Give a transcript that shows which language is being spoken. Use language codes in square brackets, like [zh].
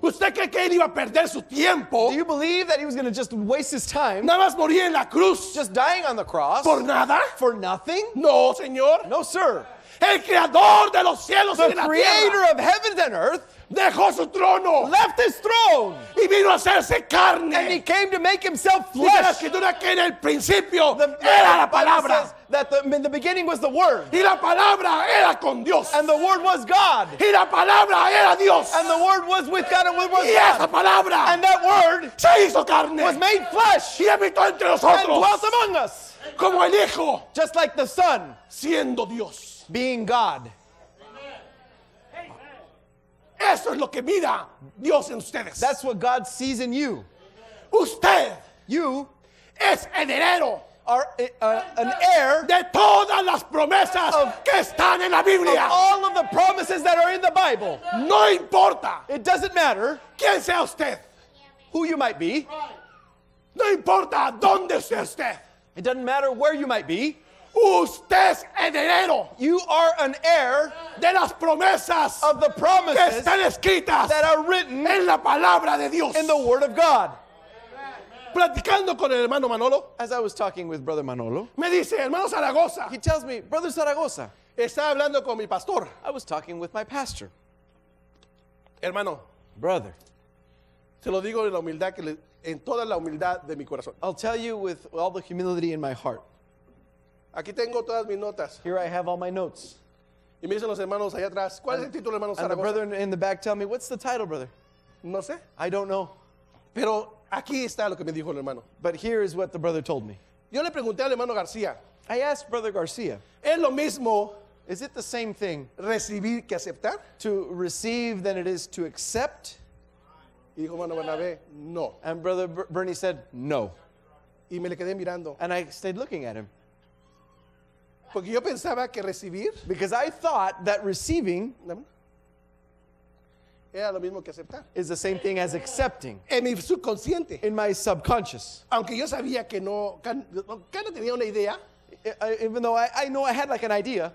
[es] ¿Usted cree que él iba a perder su tiempo? [en] Do you believe that he was going to just waste his time? [es] Nada más morir en la cruz. [en] Just dying on the cross. [es] ¿Por nada? [en] For nothing? [es] No, señor. [en] No, sir. [es] El creador de los cielos [en] the [es] y de la tierra. [en] The creator of heaven and earth. [es] Dejó su trono. [en] Left his throne. [es] Y vino a hacerse carne. [en] And he came to make himself flesh. [es] Y la escritura que en el principio era la palabra. [en] That in the beginning was the word. [es] Y la palabra era con Dios. [en] And the word was God. [es] Y la palabra era Dios. [en] And the word was with God and with God. [es] Y esa palabra. [en] And that word. [es] Se hizo carne. [en] Was made flesh. [es] Y habitó entre nosotros. [en] And dwelt among us. [es] Como el hijo. [en] Just like the son. [es] Siendo Dios. [en] Being God. [es] Amen. Eso es lo que mira Dios en ustedes. [en] That's what God sees in you. [es] Usted. [en] You. [es] Es heredero. [en] Are an heir. [es] De todas las promesas que están en la Biblia. [en] Of all of the promises that are in the Bible. [es] No importa. [en] It doesn't matter. [es] Quién sea usted. [en] Who you might be. [es] No importa dónde sea usted. [en] It doesn't matter where you might be. [es] Usted es heredero. [en] You are an heir [es] de las promesas [en] of the promises [es] que están escritas [en] that are written [es] en la palabra de Dios. [en] In the word of God. [es] Platicando con el hermano Manolo, [en] as I was talking with brother Manolo, [es] me dice, hermano Zaragoza, [en] he tells me, brother Zaragoza, [es] estaba hablando con mi pastor. [en] I was talking with my pastor. [es] Hermano, [en] brother, [es] te lo digo en la humildad que le, en toda la humildad de mi corazón. [en] I'll tell you with all the humility in my heart. [es] Aquí tengo todas mis notas. [en] Here I have all my notes. [es] Y me dicen los hermanos allá atrás, ¿cuál es el título, hermano Zaragoza? [en] And the brother in the back tell me, what's the title, brother? [es] No sé. [en] I don't know. [es] Pero aquí está lo que me dijo el hermano. [en] But here is what the brother told me. [es] Yo le pregunté al hermano García. [en] I asked brother García. [es] Es lo mismo. [en] Is it the same thing? [es] Recibir que aceptar? [en] To receive than it is to accept? [es] Y dijo hermano Bernabé, no. [en] And brother Bernie said, no. [es] Y me le quedé mirando. [en] And I stayed looking at him. [es] Porque yo pensaba que recibir. [en] Because I thought that receiving. [es] Era lo mismo que aceptar. [en] Is the same thing as accepting. [es] En mi subconsciente. [en] In my subconscious. [es] Aunque yo sabía que no tenía una idea. [en] Even though I know I had like an idea.